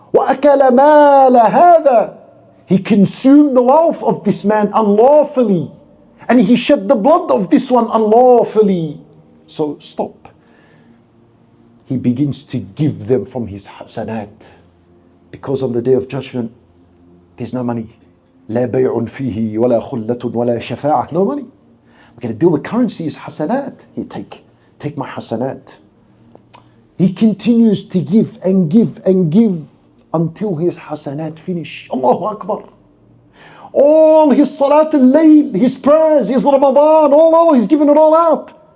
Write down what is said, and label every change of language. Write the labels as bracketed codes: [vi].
[ar] وَأَكَلَ مَالَ هَذَا [en] He consumed the wealth of this man unlawfully. And he shed the blood of this one unlawfully. So stop. He begins to give them from his hasanat. Because on the day of judgment, there's no money. [ar] لا بيع فيه ولا خلة ولا شفاعة. [en] No money. We're going to deal with currency is hasanat. He take my hasanat. He continues to give and give and give until his hasanat finish. Allahu Akbar. All his salat al-layl, his prayers, his Ramadan, all he's given it all out.